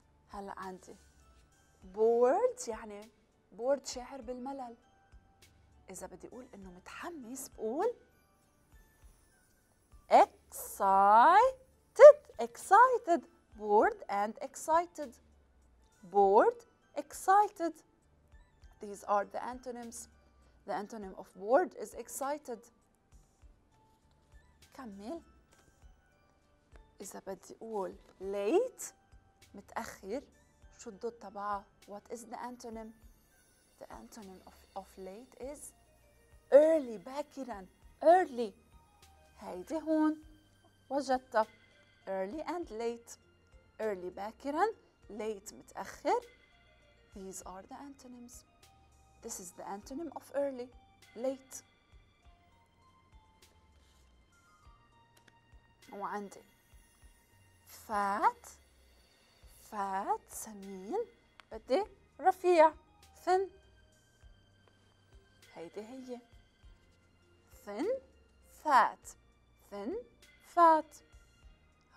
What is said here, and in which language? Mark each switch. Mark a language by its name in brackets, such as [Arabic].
[Arabic] هلا عندي bored يعني bored شاعر بالملل. إذا بدي أقول إنه متحمس بقول excited، [English] excited bored and excited، [Arabic] bored excited. [English] these are the antonyms، the antonym of bored is excited. [Arabic] كمل، إذا بدي أقول [English] late [Arabic] متأخر، شو الضد تبعها؟ [English] what is the antonym، the antonym of late is early باكرا، early. [Arabic] هيدي هون وجدتها، [English] early and late، [Arabic] early باكرا، late متأخر. [English] these are the antonyms، this is the antonym of early، late. [Arabic] وعندي fat، fat سمين، بدي رفيع thin. هيدي هي thin fat، thin fat. ها